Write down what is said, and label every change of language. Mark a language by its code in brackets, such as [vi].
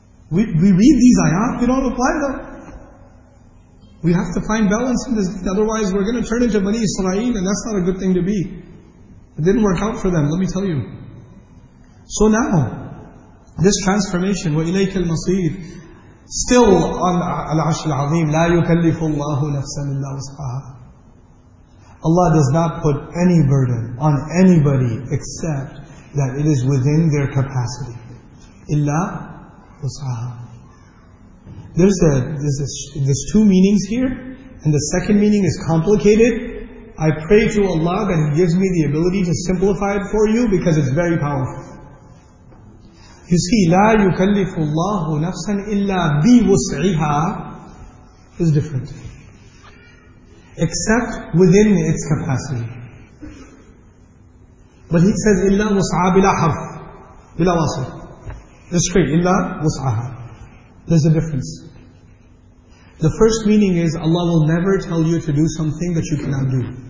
[en] We read these ayah, we don't apply them. We have to find balance in this. Otherwise we're going to turn into Bani Israel, and that's not a good thing to be. It didn't work out for them, let me tell you. So now, this transformation, [ar] وَإِلَيْكَ الْمَصِيرِ. [en] still on [ar] Al-Arsh Al-Azim, لا يكلف الله نفسا إلا وسعها. [en] Allah does not put any burden on anybody except that it is within their capacity. Illa wasaha. There's two meanings here, and the second meaning is complicated. I pray to Allah that He gives me the ability to simplify it for you because it's very powerful. You see, [ar] لا يكلف الله نفسا إلا بوسعها [en] is different. Except within its capacity. But he says, [ar] illa wus'a bila harf, bila wasl. [en] It's straight, illa wus'aha. There's a difference. The first meaning is, Allah will never tell you to do something that you cannot do.